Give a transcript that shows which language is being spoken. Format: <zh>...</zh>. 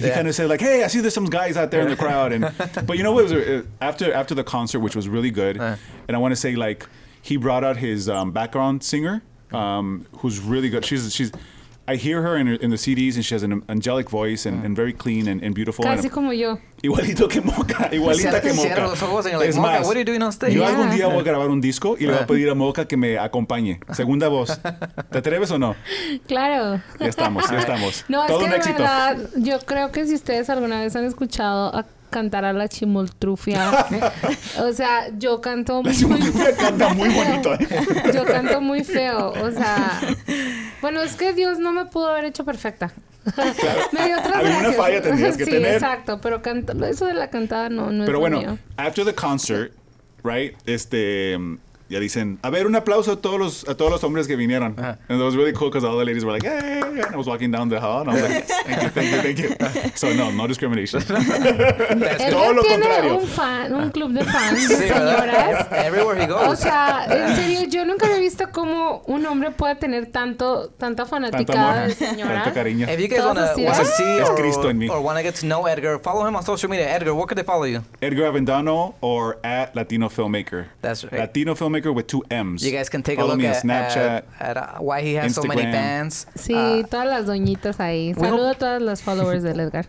<en>Yeah. He kind of said like, "Hey, I see there's some guys out there in the crowd." And but you know what? After the concert, which was really good, and I want to say like he brought out his background singer, who's really good. She's I hear her in the CDs, and she has an angelic voice and very clean and beautiful.</en> <es>Casi como yo. Igualito que Moca. Igualita que Moca.</es> <en>Like,</en> <es>es más,</es> <en>what are you doing on stage?</en> <es>Yo algún día voy a grabar un disco y le voy a pedir a Moca que me acompañe. Segunda voz. ¿Te atreves o no? Claro. Ya estamos. No, todo es que un éxito. De verdad, yo creo que si ustedes alguna vez han escuchado a cantar a la Chimoltrufia. O sea, yo canto muy... La Chimoltrufia canta muy bonito. Yo canto muy feo, o sea... Bueno, es que Dios no me pudo haber hecho perfecta. Claro. Me dio otra falla. Alguna falla tendrías que tener. Sí, exacto. Pero eso de la cantada no es Pero bueno, mío.</es> <en>After the concert, right,</en> <es>ya dicen, a ver, un aplauso a todos los hombres que vinieron.</es> <en>And it was really cool because all the ladies were like, hey, and I was walking down the hall. And I was like, thank you. So no discrimination.</en> <es>Todo lo contrario. Él tiene un club de fans, sí, señoras.</es> <en>Everywhere he goes.</en> <es>O sea, en serio, yo nunca había visto cómo un hombre pueda tener tanta fanaticada de señora. Tanto cariño.</es> <en>If you guys want to see or want to get to know Edgar, follow him on social media. Edgar, what could they follow you? Edgar Avendano or at Latino Filmmaker. That's right. Latino Filmmaker with two M's. You guys can take follow a look me on Snapchat, at why he has Instagram. So many fans.</en> <es>Sí, todas las doñitas ahí. Saludo a todas las followers de Edgar.</es>